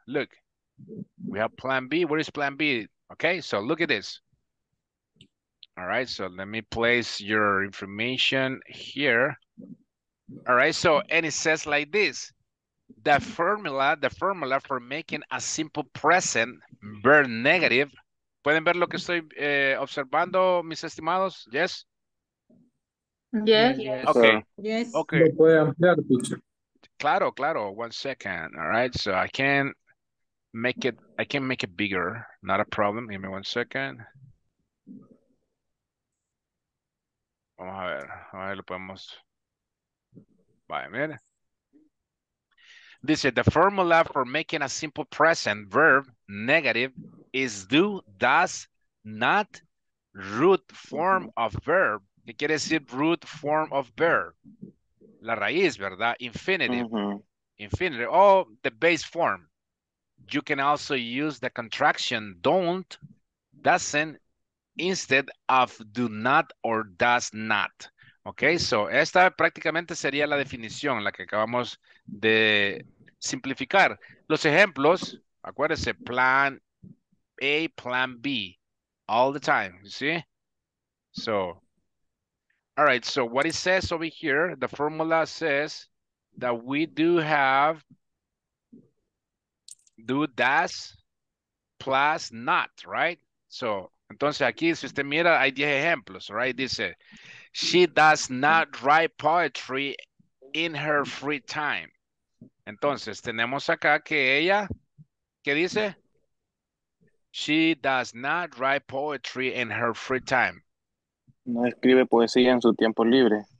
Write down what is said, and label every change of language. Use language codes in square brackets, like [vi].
[en] Look, we have plan B. Where is plan B? Okay, so look at this. All right, so let me place your information here. All right, so, and it says like this, the formula for making a simple present verb negative. [es] ¿Pueden ver lo que estoy observando, mis estimados? [en] Yes? Yes. Okay. Yes. Okay. Claro. One second. All right, so I can make it bigger. Not a problem. Give me one second. [es] Vamos a ver, lo podemos... Vaya, mire. [en] This is the formula for making a simple present verb negative is do, does, not, root form of verb. [es] ¿Qué quiere decir [en] root form of verb? [es] La raíz, ¿verdad? Infinitive. Mm-hmm. Infinitive. [en] Oh, the base form. You can also use the contraction don't, doesn't, instead of do not or does not. [es] Okay, so esta prácticamente sería la definición, la que acabamos de simplificar. Los ejemplos, acuérdense, plan A, plan B, [en] all the time, you see? So, all right, so what it says over here, the formula says that we do have do, das, plus, not, right? [es] So, entonces aquí, si usted mira, hay 10 ejemplos, right? [en] Dice, she does not write poetry in her free time. [es] Entonces, tenemos acá que ella, ¿qué dice? [en] She does not write poetry in her free time. [es] No escribe poesía en su tiempo libre.